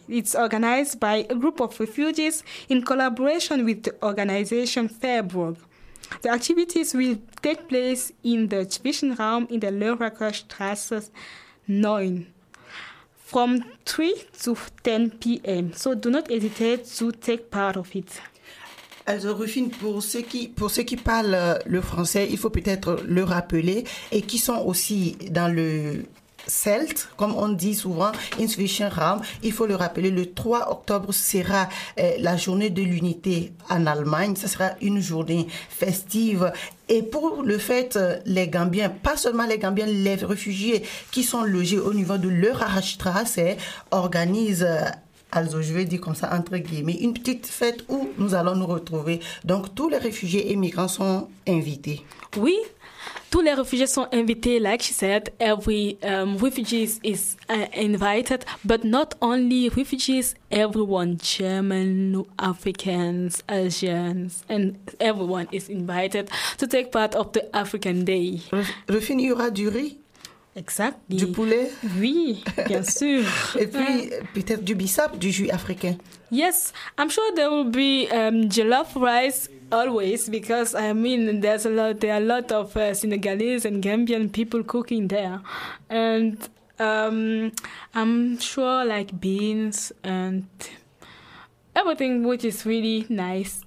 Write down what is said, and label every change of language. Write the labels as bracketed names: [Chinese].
[English] It's organized by a group of refugees in collaboration with the organization Fairburg. The activities will take place in the Zwischenraum in the Lörracher Straße 9 from 3 to 10 p.m. So do not hesitate to take part of it. [French] Alors, Rufin, pour ceux qui parlent le français, il faut peut-être le rappeler, et qui sont aussi dans le CELT, comme on dit souvent, in Zwischenraum, il faut le rappeler, le 3 octobre sera la journée de l'unité en Allemagne. Ça sera une journée festive. Et pour le fait, les Gambiens, pas seulement les Gambiens, les réfugiés qui sont logés au niveau de leur Rahrstrasse organisent, also je vais dire comme ça, entre guillemets, une petite fête où nous allons nous retrouver. Donc tous les réfugiés et migrants sont invités. Oui. Tous les réfugiés sont invités, [English] like she said. Every refugees is invited, but not only refugees, everyone, German, Africans, Asians, and everyone is invited to take part of the African Day. [French] Refine, il y aura du riz? [English] Exactly. [French] Du poulet? Oui, bien sûr. Et puis, peut-être du bissap, du jus africain? [English] Yes, I'm sure there will be jollof rice. Always, because I mean, there are a lot of Senegalese and Gambian people cooking there, and I'm sure like beans and everything, which is really nice.